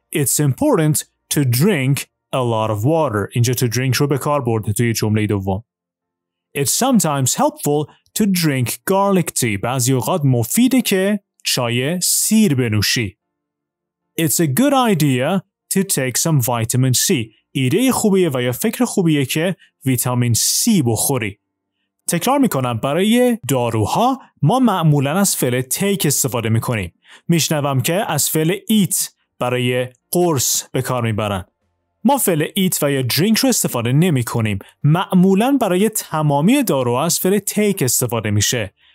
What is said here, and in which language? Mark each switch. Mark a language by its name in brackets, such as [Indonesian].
[English] It's important to drink a lot of water. [Persian] اینجا to drink رو به کار برده توی جمله دوم. [English] It's sometimes helpful to drink garlic tea. [Persian] بعضی اوقات مفیده که چای سیر بنوشی. [English] It's a good idea to take some vitamin C. [Persian] ایده خوبیه و یا فکر خوبیه که ویتامین C بخوری. تکرار میکنم برای داروها ما معمولا از فعل take استفاده میکنیم. میشنوم که از فعل eat برای قرص به کار میبرن. ما فعل eat و یا drink رو استفاده نمیکنیم. معمولا برای تمامی دارو از فعل take استفاده میشه.